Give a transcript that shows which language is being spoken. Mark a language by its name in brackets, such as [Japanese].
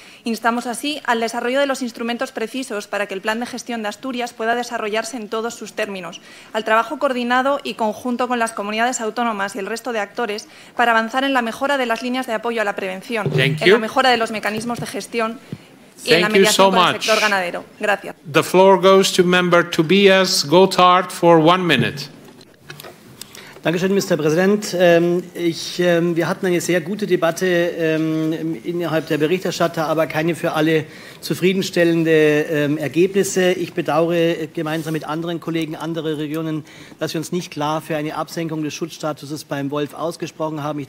[Spanish] Instamos así al desarrollo de los instrumentos precisos para que el Plan de Gestión de Asturias pueda desarrollarse en todos sus términos, al trabajo coordinado y conjunto con las comunidades autónomas y el resto de actores para avanzar en la mejora de las líneas de apoyo a la prevención, en la mejora de los mecanismos de gestión. [English] Thank you so much. [Spanish] Gracias. [English] The floor goes to Member Tobias Gotthard for 1 minute. [German] Danke schön, Mr. Präsident. Wir hatten eine sehr gute Debatte innerhalb der Berichterstatter, aber keine für alle zufriedenstellende Ergebnisse. Ich bedauere gemeinsam mit anderen Kollegen anderer Regionen, dass wir uns nicht klar für eine Absenkung des Schutzstatuses beim Wolf ausgesprochen haben.